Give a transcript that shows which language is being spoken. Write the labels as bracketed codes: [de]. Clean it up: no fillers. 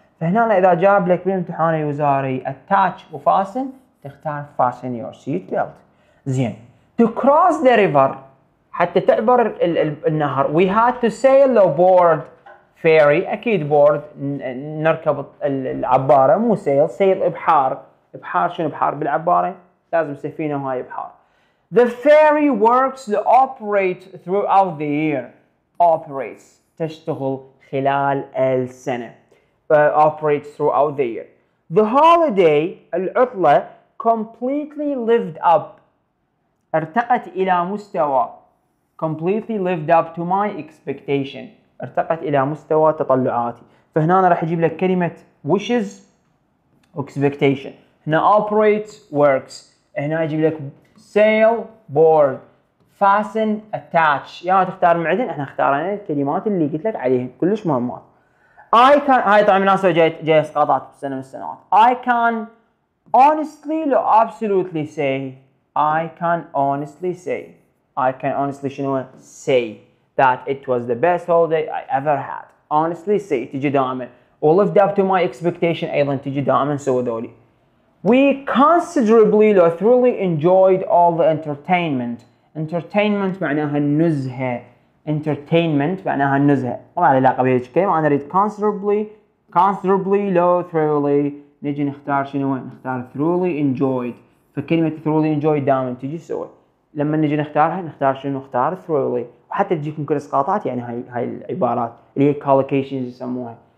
[ar] فهنا إذا جاب لك بالامتحان الوزاري attach وفاسن، تختار fasten your seat belt. زين. [en] To cross the river حتى تعبر النهر we had to sail aboard ferry. [ar] أكيد board نركب العبارة مو sail. sail إبحار. إبحار شنو إبحار بالعبارة؟ لازم سفينة وهاي إبحار. [en] The ferry works to operate throughout the year. [ar] Operates تشتغل خلال السنة. [en] Operates throughout the year. The holiday العطلة completely lived up ارتقت إلى مستوى completely lived up to my expectation ارتقت إلى مستوى تطلعاتي. [ar] فهنا أنا راح أجيب لك كلمة wishes expectation. [en] هنا operates works. هنا أجيب لك sail board fasten attach. [ar] يا يعني تختار معدن احنا اختارنا الكلمات اللي قلت لك عليها كلش مهمات. I can هاي طبعا ناس جاي اسقاطات بسنة من السنوات. [en] I can honestly لو absolutely say I can honestly say I can honestly شنو say that it was the best holiday I ever had. [ar] Honestly say تجي دائما lived up to my expectation ايضا تجي دائما سوى ذولي. [en] We considerably لو thoroughly enjoyed all the entertainment. [ar] Entertainment معناها النزهة. Entertainment معناها النزهة. ما على علاقة بهذه الكلمة. أنا أريد considerably. Considerably لو thoroughly نجي نختار شنو؟ نختار thoroughly enjoyed. فكلمة thoroughly enjoyed دائما تجي سوى. لما نجي نختارها نختار شنو؟ نختار thoroughly. وحتى تجيك ممكن إسقاطات يعني هاي العبارات اللي هي collocations يسموها.